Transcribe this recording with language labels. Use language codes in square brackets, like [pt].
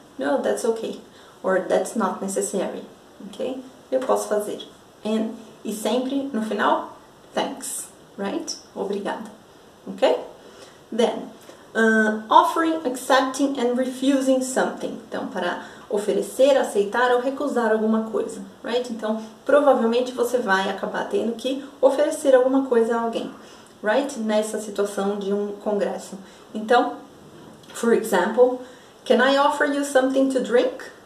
[en] No, that's okay, or that's not necessary, ok? [pt] Eu posso fazer, e sempre no final, thanks, right? Obrigada, ok? [en] Then, offering, accepting and refusing something, [pt] então, para oferecer, aceitar ou recusar alguma coisa, right? Então, provavelmente você vai acabar tendo que oferecer alguma coisa a alguém, right? Nessa situação de um congresso. [en] Então, for example, can I offer you something to drink?